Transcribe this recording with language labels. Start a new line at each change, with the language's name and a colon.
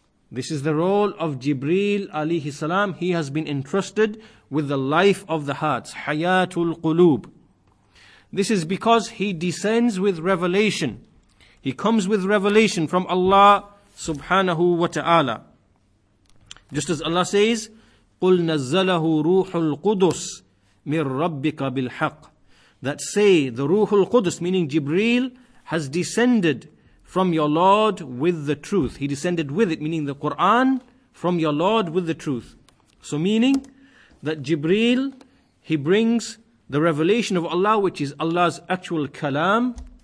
English: This is the role of Jibreel alayhi salam. He has been entrusted with the life of the hearts. Hayatul Qulub. This is because he descends with revelation. He comes with revelation from Allah subhanahu wa ta'ala. Just as Allah says,
Arabic: قُلْ نَزَّلَهُ رُوحُ الْقُدُسِ مِنْ رَبِّكَ بِالْحَقِّ.
English: That say, the Ruhul al-Qudus, meaning Jibreel, has descended from your Lord with the truth. He descended with it, meaning the Quran, from your Lord with the truth. So meaning that Jibreel, he brings the revelation of Allah, which is Allah's actual kalam.